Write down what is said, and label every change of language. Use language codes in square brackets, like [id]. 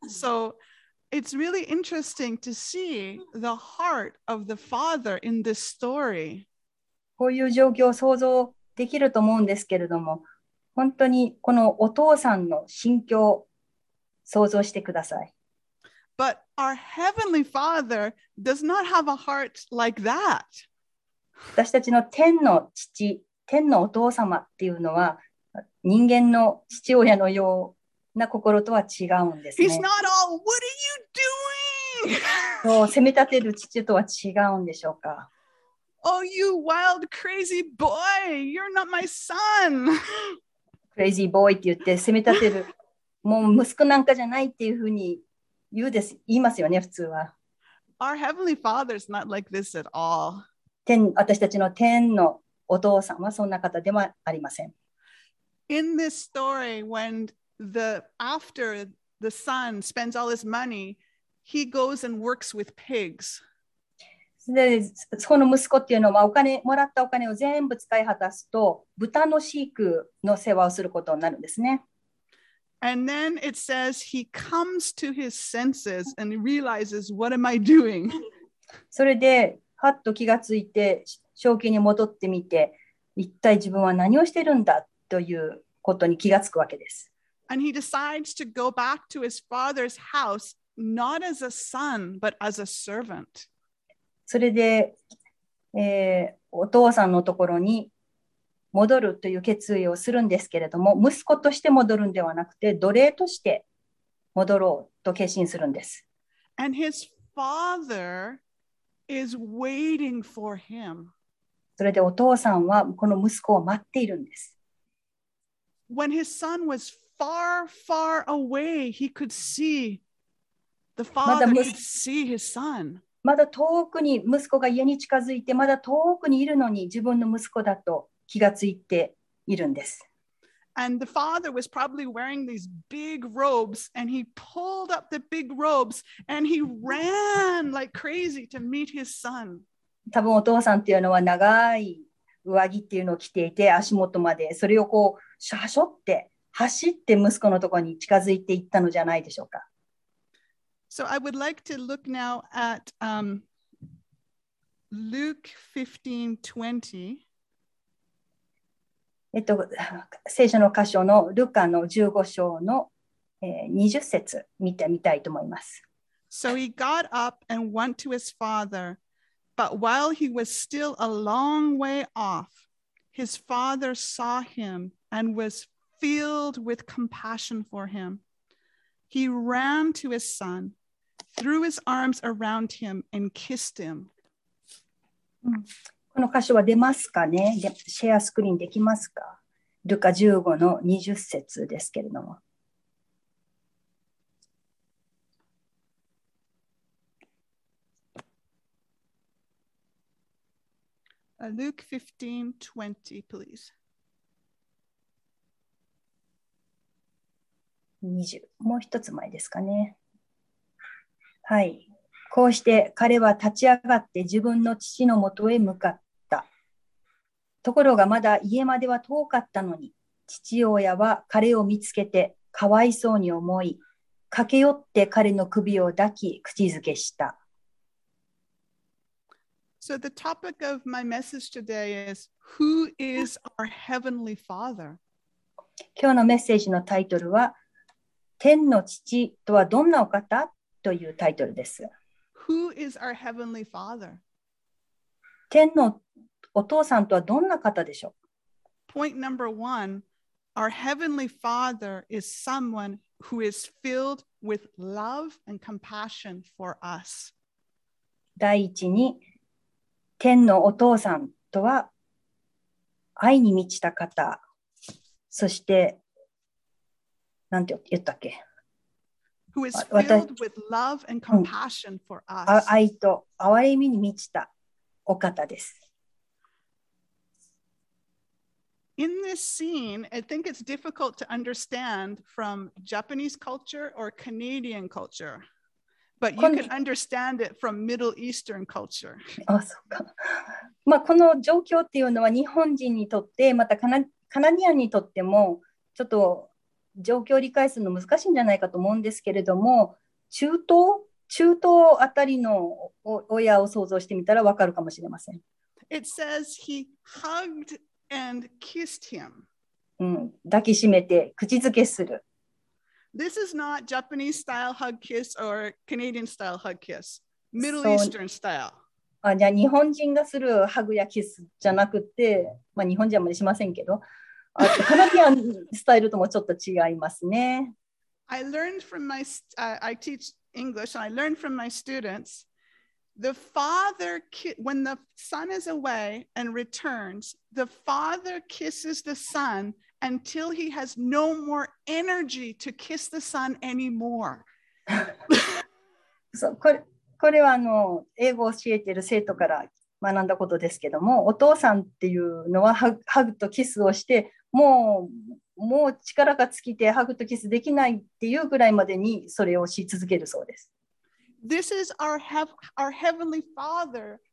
[en] So it's really interesting to see the heart of the father in this story. [ja] こういう状況を想像できると思うんですけれども、本当にこのお父さんの心境を想像してください。 [en] But our heavenly father does not have a heart like that. [ja] 私たちの天の父、天のお父様っていうのは、人間の父親のような心とは違うんですね。 [en] He's not all, what are you doing? [ja] 責め立てる父とは違うんでしょうか。 [en] Oh, you wild, crazy boy! You're not my son! Crazy boy [ja] って言って責め立てる。もう息子なんかじゃないっていうふうに言うです。言いますよね、普通は。 [en] Our heavenly father's not like this at all. [ja] 天、私たちの天のお父さんはそんな方ではありません。 [en] In this story, when the after the son spends all his money, he goes and works with pigs. [ja] で、その息子っていうのはお金もらったお金を全部使い果たすと、豚の飼育の世話をすることになるんですね。 [en] And then it says he comes to his senses and realizes, what am I doing? [ja] それで、はっと気がついて、正気に戻ってみて、一体自分は何をしてるんだということに気がつくわけです。 [en] And he decides to go back to his father's house, not as a son, but as a servant. [ja] それで、お父さんのところに戻るという決意をするんですけれども、息子として戻るんではなくて、奴隷として戻ろうと決心するんです。 [en] And his father is waiting for him. [ja] それでお父さんはこの息子を待っているんです。 [en] When his son was far, far away, he could see the father could see his son. [ja] まだ遠くに息子が家に近づいて、まだ遠くにいるのに自分の息子だと気がついているんです。 [en] And the father was probably wearing these big robes, and he pulled up the big robes, and he ran like crazy to meet his son. [ja] 多分お父さんっていうのは長い上着っていうのを着ていて、足元までそれをこう、しゃしょって走って息子のところに近づいていったのじゃないでしょうか。 [en] So I would like to look now at Luke 15:20. [ja] 聖書の箇所のルカの15章の20節見てみたいと思います。 [en] So he got up and went to his father, but while he was still a long way off, his father saw him. And was filled with compassion for him. He ran to his son, threw his arms around him, and kissed him. [ja] この箇所は出ますかね？シェアスクリーンできますか？ルカ15の20節ですけれども。 [en] Luke 15:20, please. [ja] もう一つ前ですかね。はい。こうして彼は立ち上がって自分の父のもとへ向かった。ところがまだ家までは遠かったのに、父親は彼を見つけてかわいそうに思い、駆け寄って彼の首を抱き、口づけした。 [en] So the topic of my message today is, who is our heavenly father? [ja] 今日のメッセージのタイトルは、天の父とはどんなお方というタイトルです。 [en] Who is our heavenly father? [ja] 天のお父さんとはどんな方でしょう。 [en] Point number one, our heavenly father is someone who is filled with love and compassion for us. [ja] 第一に、天のお父さんとは愛に満ちた方、そして、なんて言ったっけ？ [en] Who is filled with love and compassion for us. [ja] 愛と憐れみに満ちたお方です。 [en] In this scene, I think it's difficult to understand from Japanese culture or Canadian culture, but you can understand it from Middle Eastern culture. [ja] あ、そうか。まあ、この状況っていうのは日本人にとって、またカナディアンにとっても、ちょっと状況を理解するの難しいんじゃないかと思うんですけれども、中東あたりの親を想像してみたらわかるかもしれません。 [en] It says he huggedAnd kissed him. [ja] 抱きしめて口づけする。 [en] This is not Japanese style hug kiss or Canadian style hug kiss. Middle Eastern style. [ja] あ、じゃあ日本人がするハグやキスじゃなくて、まあ日本人はあまりしませんけど、カナディアンスタイルともちょっと違いますね。 [en] I learned from my I teach English and I learned from my students. The father, when the son is away and returns, the father kisses the son until he has no more energy to kiss the son anymore. [ja] そう、これはあの英語を教えている生徒から学んだことですけども、お父さんっていうのはハグとキスをして、もう力が尽きてハグとキスできないっていうぐらいまでにそれをし続けるそうです。 [en] This is our heavenly Father.